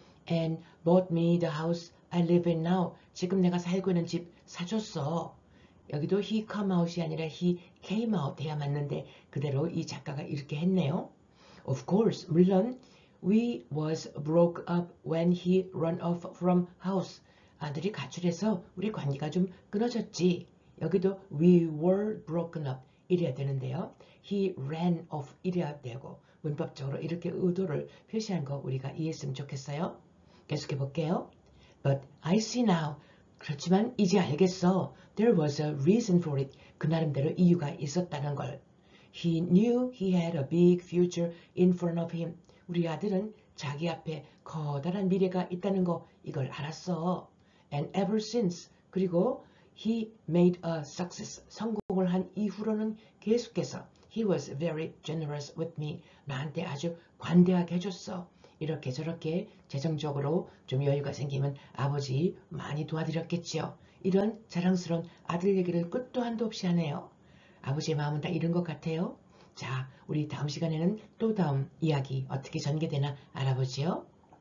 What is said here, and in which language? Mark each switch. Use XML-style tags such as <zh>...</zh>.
<en>And bought me the house I live in now.</en> <ko>지금 내가 살고 있는 집 사줬어. 여기도</ko> <en>he come out</en> <ko>이 아니라</ko> <en>he came out</en> <ko>해야 맞는데 그대로 이 작가가 이렇게 했네요.</ko> <en>Of course,</en> <ko>물론</ko> <en>we was broke up when he run off from house.</en> <ko>아들이 가출해서 우리 관계가 좀 끊어졌지. 여기도</ko> <en>we were broken up</en> <ko>이래야 되는데요.</ko> <en>He ran off</en> <ko>이래야 되고 문법적으로 이렇게 의도를 표시한 거 우리가 이해했으면 좋겠어요. 계속해 볼게요.</ko> <en>But I see now.</en> <ko>그렇지만 이제 알겠어.</ko> <en>There was a reason for it.</en> <ko>그 나름대로 이유가 있었다는 걸.</ko> <en>He knew he had a big future in front of him.</en> <ko>우리 아들은 자기 앞에 커다란 미래가 있다는 거 이걸 알았어.</ko> <en>And ever since,</en> <ko>그리고</ko> <en>he made a success.</en> <ko>성공을 한 이후로는 계속해서</ko> <en>he was very generous with me.</en> <ko>나한테 아주 관대하게 해줬어. 이렇게 저렇게 재정적으로 좀 여유가 생기면 아버지 많이 도와드렸겠지요. 이런 자랑스러운 아들 얘기를 끝도 한도 없이 하네요. 아버지의 마음은 다 이런 것 같아요. 자, 우리 다음 시간에는 또 다음 이야기 어떻게 전개되나 알아보지요.</ko>